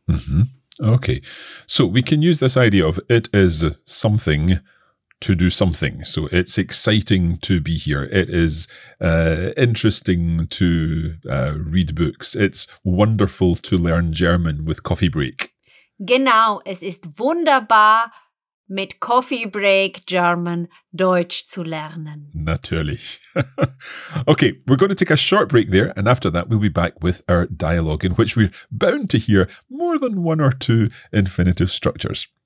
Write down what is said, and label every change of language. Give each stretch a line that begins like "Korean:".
English: Mm-hmm. Okay, so we can use this idea of it is something to do something. So it's exciting to be here. It is interesting to read books. It's wonderful to learn German with Coffee Break.
German: Genau, es ist wunderbar, mit Coffee Break German Deutsch zu lernen. Natürlich.
English: Okay, we're going to take a short break there, and after that we'll be back with our dialogue in which we're bound to hear more than one or two infinitive structures.